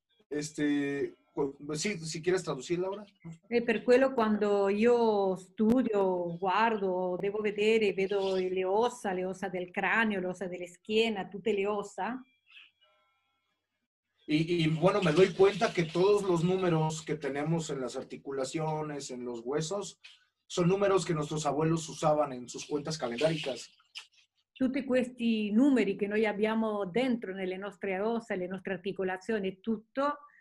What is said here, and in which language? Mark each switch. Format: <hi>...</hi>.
<es>Si quieres traducir, Laura.</es> <it>Per quello quando io studio, guardo, devo vedere, vedo le ossa del cranio, le ossa della schiena, tutte le ossa.</it> <es>Y bueno, me doy cuenta que todos los números que tenemos en las articulaciones, en los huesos, son números que nuestros abuelos usaban en sus cuentas calendáricas.</es> <it>Tutti questi numeri che noi abbiamo dentro nelle nostre ossa, le nostre articolazioni, tutto</it>